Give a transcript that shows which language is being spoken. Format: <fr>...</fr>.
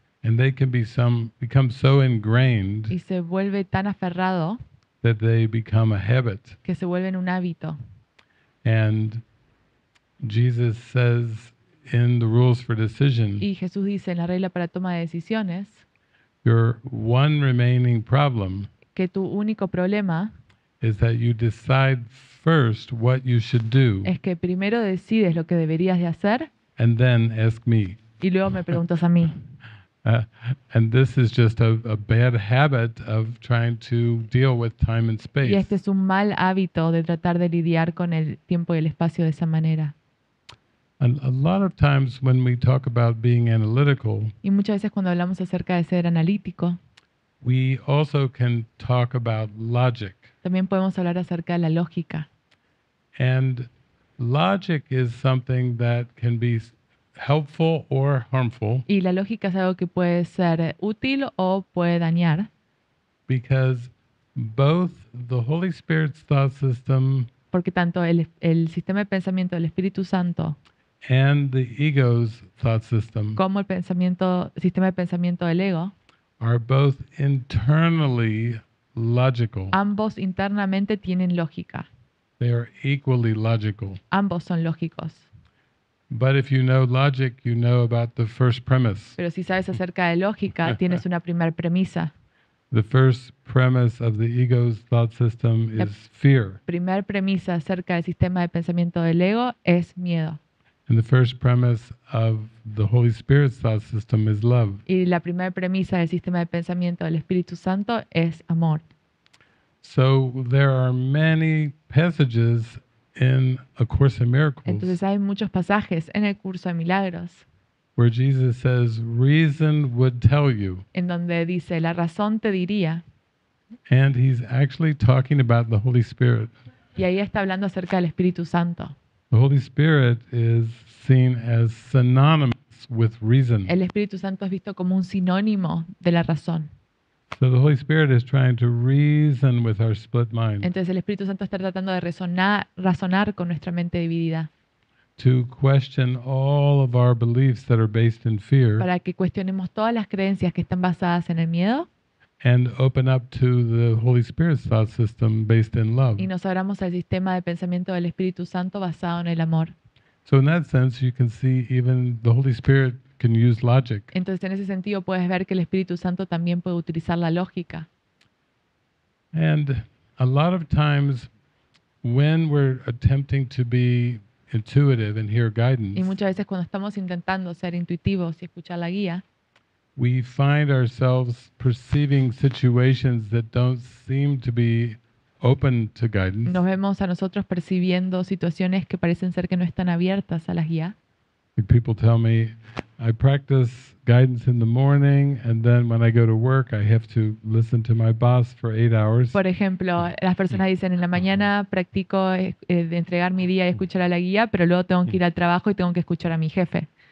<en>And they can be some become so ingrained.</en> <es>Y se vuelve tan aferrado.</es> <en>That they become a habit.</en> <es>Que se vuelven un hábito.</es> <en>And Jesus says in the rules for decision.</en> <es>Y Jesús dice en la regla para toma de decisiones.</es> <en>Your one remaining problem.</en> <es>Que tu único problema.</es> <en>Is that you decide first what you should do.</en> <es>Es que primero decides lo que deberías de hacer.</es> <en>And then ask me.</en> <es>Y luego me preguntas a mí.</es> <en>And this is just a bad habit of trying to deal with time and space.</en> <es>Y este es un mal hábito de tratar de lidiar con el tiempo y el espacio de esa manera.</es> <en>And a lot of times when we talk about being analytical,</en> <es>y muchas veces cuando hablamos acerca de ser analítico,</es> <en>we also can talk about logic.</en> <es>También podemos hablar acerca de la lógica.</es> <en>And logic is something that can be helpful or harmful.</en> <es>Y la lógica es algo que puede ser útil o puede dañar.</es> <en>Because both the Holy Spirit's thought system,</en> <es>porque tanto el sistema de pensamiento del Espíritu Santo,</es> <en>and the ego's thought system,</en> <es>como el pensamiento sistema de pensamiento del ego,</es> <en>are both internally logical.</en> <es>Ambos internamente tienen lógica.</es> <en>They are equally logical.</en> <es>Ambos son lógicos.</es> <en>But if you know logic, you know about the first premise.</en> <es>Pero si sabes acerca de lógica, tienes una primera premisa.</es> <en>The first premise of the ego's thought system is fear.</en> <es>Primera premisa acerca del sistema de pensamiento del ego es miedo.</es> <en>And the first premise of the Holy Spirit's thought system is love.</en> <es>Y la primera premisa del sistema de pensamiento del Espíritu Santo es amor.</es> <en>So there are many passages in A Course in Miracles.</en> <es>Entonces hay muchos pasajes en el curso de milagros.</es> <en>Where Jesus says, reason would tell you.</en> <es>En donde dice, la razón te diría.</es> <en>And he's actually talking about the Holy Spirit.</en> <es>Y ahí está hablando acerca del Espíritu Santo.</es> <en>The Holy Spirit is seen as synonymous with reason.</en> <es>El Espíritu Santo es visto como un sinónimo de la razón.</es> <en>So the Holy Spirit is trying to reason with our split mind.</en> <es>Entonces el Espíritu Santo está tratando de razonar con nuestra mente dividida.</es> <en>To question all of our beliefs that are based in fear.</en> <es>Para que cuestionemos todas las creencias que están basadas en el miedo.</es> <en>And open up to the Holy Spirit's thought system based in love.</en> <es>Y nos abramos al sistema de pensamiento del Espíritu Santo basado en el amor.</es> <en>So in that sense, you can see even the Holy Spirit can use logic.</en> <es>Entonces, en ese sentido, puedes ver que el Espíritu Santo también puede utilizar la lógica.</es> <en>And a lot of times, when we're attempting to be intuitive and hear guidance,</en> <es>y muchas veces cuando estamos intentando ser intuitivos y escuchar la guía,</es> <en>we find ourselves perceiving situations that don't seem to be open to guidance.</en> <es>Nos vemos a nosotros percibiendo situaciones que parecen ser que no están abiertas a la guía.</es> <en>People tell me, I practice guidance in the morning and then when I go to work I have to listen to my boss for 8 hours.</en> <es>Por ejemplo, las personas dicen, en la mañana practico de entregar mi día y escuchar a la guía, pero luego tengo que ir al trabajo y tengo que escuchar a mi jefe.</es>